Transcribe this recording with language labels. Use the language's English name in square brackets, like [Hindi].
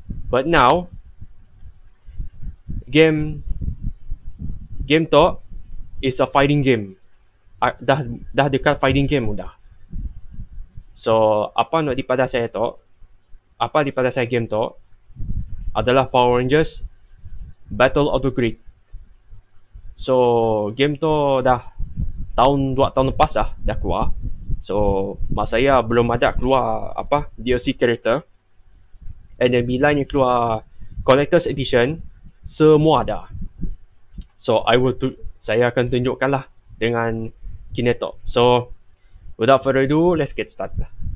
[English] But now game tu is a fighting game. [Malay] Dah dekat fighting game sudah. So apa nak daripada saya tu, apa daripada saya game tu adalah Power Rangers Battle of the Grid. So game tu dah tahun 2 tahun lepas lah dah keluar. So masa saya belum ada keluar apa DLC character, and then bila ni keluar collector's edition semua ada. So saya akan tunjukkan lah dengan Kineto. [English] So without further ado, let's get started.